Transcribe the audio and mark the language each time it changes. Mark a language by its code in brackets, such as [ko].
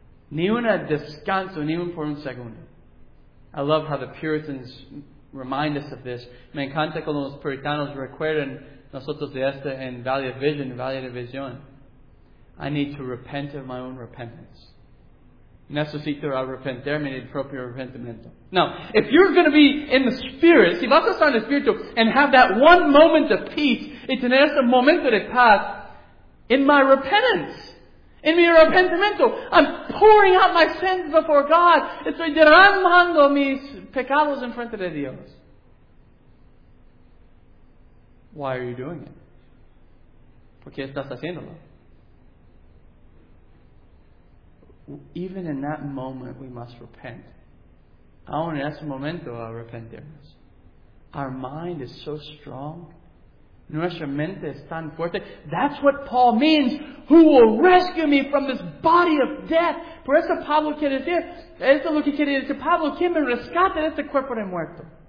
[es] Ni una descanso, ni un por un segundo. [en] I love how the Puritans remind us of this. [es] Me encanta cuando los puritanos recuerdan nosotros de esta en Valley of Vision, Valley of Vision. [en] I need to repent of my own repentance. [es] Necesito arrepentirme del propio arrepentimiento. [en] Now, if you're going to be in the Spirit, [es] si vas a estar en el Espíritu, [en] and have that one moment of peace, [es] y tener ese momento de paz, [en] in my repentance, in [es] mi arrepentimiento, [en] I'm pouring out my sins before God. [es] Estoy derramando mis pecados en frente de Dios. [en] Why are you doing it? [es] ¿Por qué estás haciéndolo? [en] Even in that moment, we must repent. [es] Aún en ese momento, arrepentirnos. [en] Our mind is so strong. [es] Nuestra mente es tan fuerte. [en] That's what Paul means. Who will rescue me from this body of death? [es] Por eso Pablo quiere decir, esto es lo que quiere decir Pablo, quien me rescata de este cuerpo de muerto.